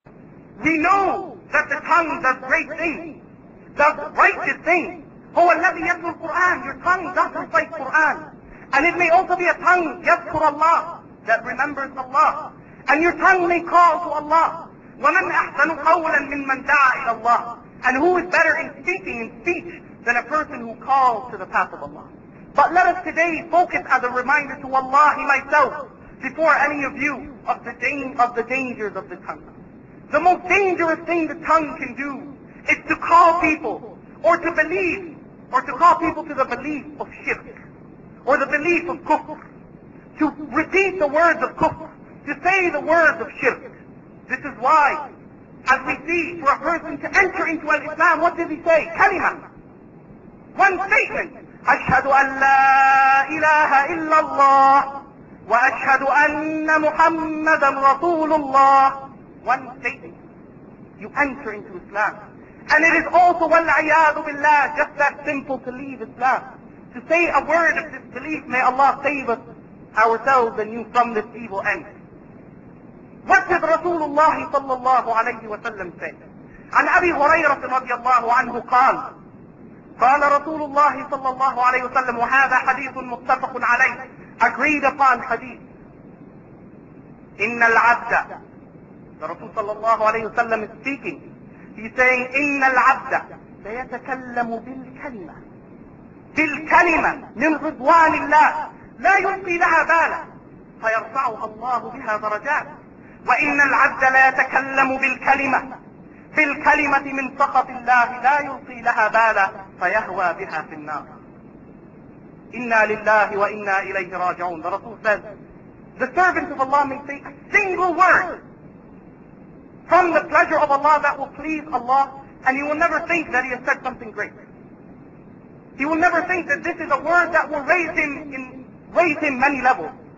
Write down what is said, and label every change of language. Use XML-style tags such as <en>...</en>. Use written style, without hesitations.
<en>He knows that the tongue does great things, does righteous things.</en> <ar>هو الذي يتلو القرآن.</ar> <en>Your tongue does recite Quran. And it may also be a tongue,</en> <ar>يذكر الله,</ar> <en>that remembers Allah. And your tongue may call to Allah.</en> <ar>ومن أحسن قولا من من دعا إلى الله.</ar> <en>And who is better in speaking in speech than a person who calls to the path of Allah. But let us today focus as a reminder to Wallahi myself, before any of you, of the dangers of the tongue. The most dangerous thing the tongue can do is to call people, or to believe, or to call people to the belief of shirk, or the belief of kufr, to repeat the words of kufr, to say the words of shirk. This is why, as we see, for a person to enter into al-Islam, what does he say? Kalima. One statement.</en> <ar>أشهد أن لا إله إلا الله وأشهد أن محمدا رسول الله.</ar> <en>One statement. You enter into Islam. And it is also</en> <ar>والعياذ بالله</ar> <en>just that simple to leave Islam. To say a word of disbelief, may Allah save us ourselves and you from this evil end. What did Rasulullah</en> <ar>صلى الله عليه وسلم</ar> <en>say?</en> <ar>عن أبي هريرة رضي الله عنه قال قال رسول الله صلى الله عليه وسلم وهذا حديث متفق عليه</ar> <en>agreed upon</en> <ar>حديث إن العبد the رسول صلى الله عليه وسلم</ar> <en>is speaking he's saying</en> <ar>إن العبد سيتكلم بالكلمة بالكلمة من رضوان الله لا يلقي لها بالا فيرفعها الله بها درجات وإن العبد لا يتكلم بالكلمة بالكلمة من سخط الله لا يلقي لها بالا فيهوى بها في النار. إنا لله وإنا إليه راجعون.</ar> <en>The Rasul says, the servant of Allah may say a single word from the pleasure of Allah that will please Allah and he will never think that he has said something great. He will never think that this is a word that will raise him many levels.</en>